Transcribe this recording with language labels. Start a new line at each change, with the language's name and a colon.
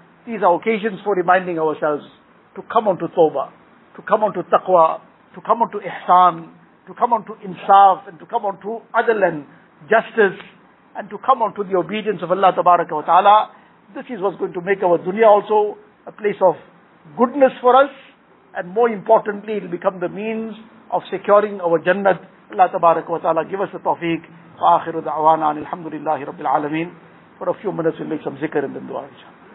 English: These are occasions for reminding ourselves to come onto tawbah, to come onto taqwa, to come onto ihsan, to come onto insaf, and to come onto adl and justice, and to come onto the obedience of Allah Tabaraka wa Ta'ala. This is what's going to make our dunya also a place of goodness for us, and more importantly, it will become the means of securing our jannat. Allah Tabaraka wa Ta'ala give us the tawfiq.
Arabic: وآخر دعوانا أن الحمد لله رب العالمين.
English: For a few minutes we'll make some zikr and then dua inshaAllah.